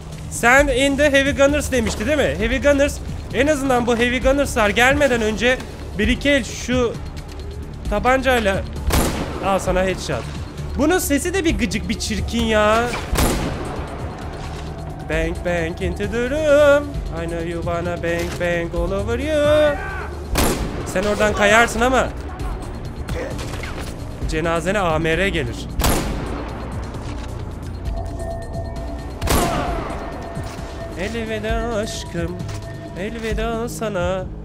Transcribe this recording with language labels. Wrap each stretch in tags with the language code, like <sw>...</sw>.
<tr>Sen in the heavy gunners demişti değil mi? Heavy gunners. En azından bu heavy gunnerslar gelmeden önce bir iki el şu tabancayla al sana headshot. Bunun sesi de bir gıcık, bir çirkin ya.</tr> <en>Bang bang into the room. I know you wanna bang bang all over you.</en> <tr>Sen oradan kayarsın ama cenazene AMR gelir. Elveda aşkım, elveda sana.</tr>